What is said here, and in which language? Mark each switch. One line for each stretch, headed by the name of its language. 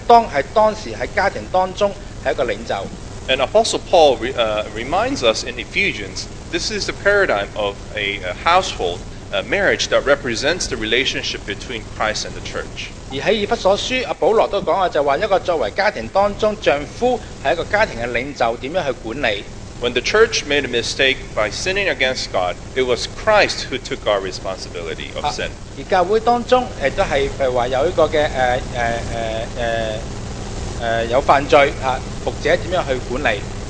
Cantonese: 所以当时阿当阿娃犯罪的时候，是一个苹果。神去当时同佢哋对质嘅时候，唔系话直接嘅同阿娃讲乜嘢，而系同阿当讲，你应该点解有咁嘅事嘅发生，系因为阿当系当时喺家庭当中系一个领袖。
English: And Apostle Paul reminds us in Ephesians, this is the paradigm of a household, a marriage that represents the relationship between Christ and the church.
Cantonese: 而在以弗所书，保罗都讲啊，就话一个作为家庭当中丈夫系一个家庭嘅领袖，点样去管理？
English: When the church made a mistake by sinning against God, it was Christ who took our responsibility of sin.
Cantonese: 而教会当中，都系譬如话有一个嘅有犯罪，牧者点样去管理？